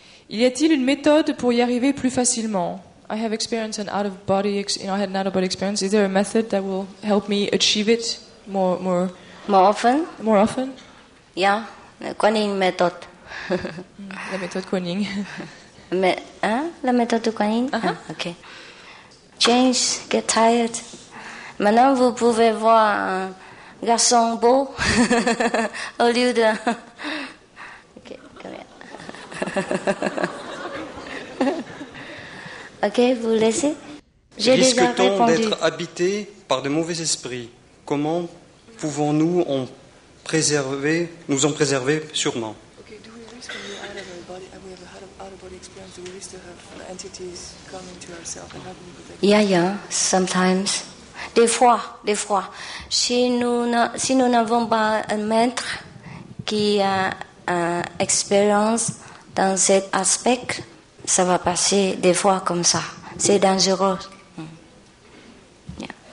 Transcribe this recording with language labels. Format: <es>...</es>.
<fr>Y a-t-il une méthode pour y arriver plus facilement?</fr> <en>I have experienced an out of body, I had an out of body experience. Is there a method that will help me achieve it more often? More often? Yeah, Kuan Yin méthode.</en> <fr>La méthode Kuan Yin. Mais hein, la méthode Kuan Yin. Uh-huh.</fr> <en>Okay. Change, get tired.</en> <fr>Maintenant, vous pouvez voir un garçon beau au lieu de...</fr> <en>Ok, come here.</en> <fr>Ok, vous laissez. J'ai déjà répondu. Risque-t-on d'être habité par de mauvais esprits? Comment pouvons-nous nous en préserver sûrement?</fr> <en>Ok, do we risk when we are out of our body and we have had an out of body experience, do we risk to have entities coming to ourselves and having protection? Yeah, sometimes.</en> <fr>Des fois. Si nous n'avons pas un maître qui a une expérience dans cet aspect, ça va passer des fois comme ça. C'est dangereux.</fr> <en>Yeah.</en>